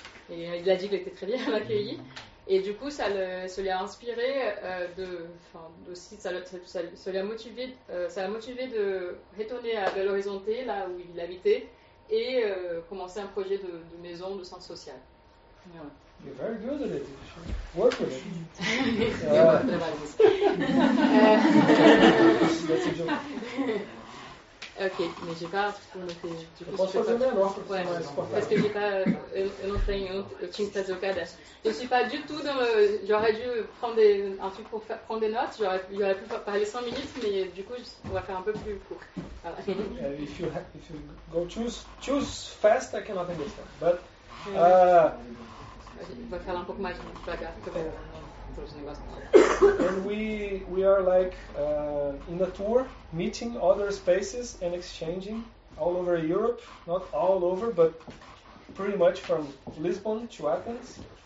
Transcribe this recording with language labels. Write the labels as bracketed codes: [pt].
[fr] Et il a dit qu'il était très bien accueilli. Et du coup, ça l'a motivé de retourner à Belo Horizonte, là où il habitait. Et commencer un projet de maison, de centre social. [en] Yeah. You're very good at it. You should work with it. That's a joke. [fr] Ok, mais j'ai pas. Parce que j'ai pas. Je suis pas du tout dans le. J'aurais dû prendre un truc pour prendre des notes. J'aurais pu parler 100 minutes, mais du coup, on va faire un peu plus court. Voilà. [en] If you go too fast, I cannot understand. But. [fr] On va faire un peu plus de blagues. [en] And we are like in a tour, meeting other spaces and exchanging all over Europe, not all over, but pretty much from Lisbon to Athens.